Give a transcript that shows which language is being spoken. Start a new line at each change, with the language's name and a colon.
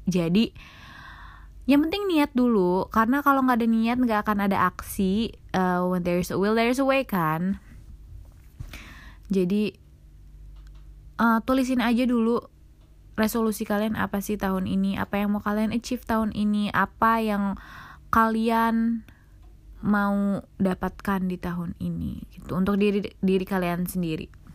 Indonesian: Jadi yang penting niat dulu, karena kalau gak ada niat gak akan ada aksi.
English: When there's a will, there's a way kan.
Indonesian: Jadi tulisin aja dulu resolusi kalian apa sih tahun ini, apa yang mau kalian achieve tahun ini, apa yang kalian mau dapatkan di tahun ini gitu, untuk diri kalian sendiri.